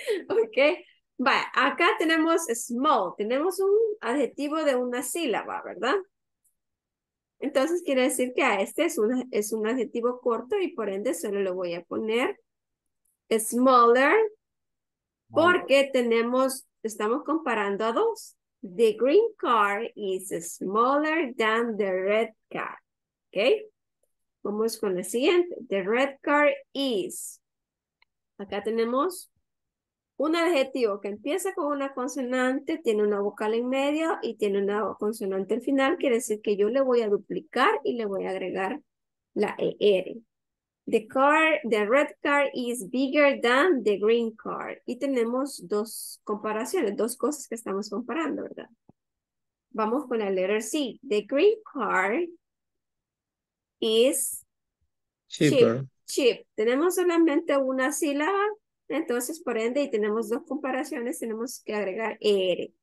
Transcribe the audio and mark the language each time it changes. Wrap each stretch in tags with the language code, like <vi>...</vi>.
<es>Ok, vaya, acá tenemos small, tenemos un adjetivo de una sílaba, ¿verdad? Entonces quiere decir que a este es un adjetivo corto y por ende solo lo voy a poner smaller porque estamos comparando a dos.</es> <en>The green car is smaller than the red car.</en> <es>Okay. Vamos con la siguiente.</es> <en>The red car is.</en> <es>Acá tenemos un adjetivo que empieza con una consonante, tiene una vocal en medio y tiene una consonante al final. Quiere decir que yo le voy a duplicar y le voy a agregar la ER.</es> <en>The red car is bigger than the green car.</en> <es>Y tenemos dos comparaciones, dos cosas que estamos comparando, ¿verdad? Vamos con la</es> <en>letter C. The green car is cheaper. Cheap.</en> <es>Tenemos solamente una sílaba, entonces por ende, y tenemos dos comparaciones, tenemos que agregar ER.</es>